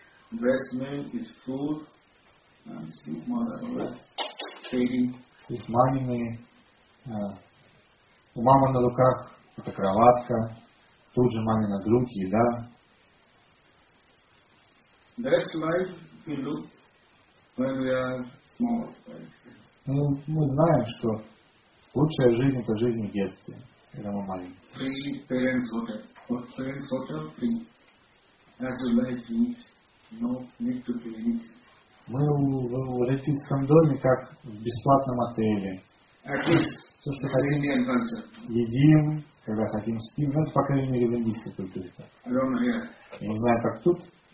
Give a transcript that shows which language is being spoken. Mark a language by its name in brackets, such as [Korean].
[English] Breast milk is food. And sleep mother lap. Feeding. [Russian] Сидит мамины. У мамы на руках. Это кроватка, тут же мамина грудь, еда. [English] Best life if you look when we are small. [Russian] Ну, мы знаем, что лучшая жизнь это жизнь в детстве, когда мы маленькие. [English] Free parents hotel. Parents hotel free. As a life you need to be easy. [Russian] Мы в родительском доме как в бесплатном отеле. [English] At least. [Russian] То, что хотим, едим, когда хотим спим. Ну, это, по крайней мере, в индийской культуре. Я не знаю, как тут.